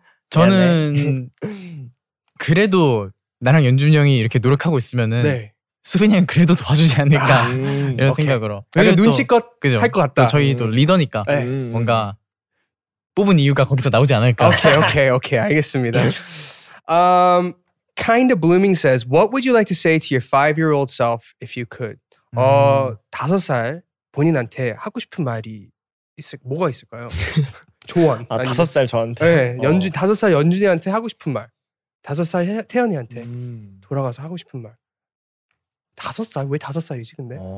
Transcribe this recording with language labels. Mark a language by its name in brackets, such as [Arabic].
[Korean] 저는 그래도 나랑 연준이 형이 이렇게 노력하고 있으면은 네. 수빈이 형 그래도 도와주지 않을까 이런 오케이. 생각으로 약간 눈치껏 할 것 같다. 저희도 리더니까 네. 뭔가 뽑은 이유가 거기서 나오지 않을까. 오케이 오케이 오케이 알겠습니다. [English] Kinda Blooming says, what would you like to say to your 5-year-old self if you could? [Korean] 5살 본인한테 하고 싶은 말이 뭐가 있을까요? 조언. 아, 아니면, 5살 저한테? 네, 5살 연준이한테 하고 싶은 말. 5살 태연이한테 돌아가서 하고 싶은 말. 5살? 왜 5살이지 근데?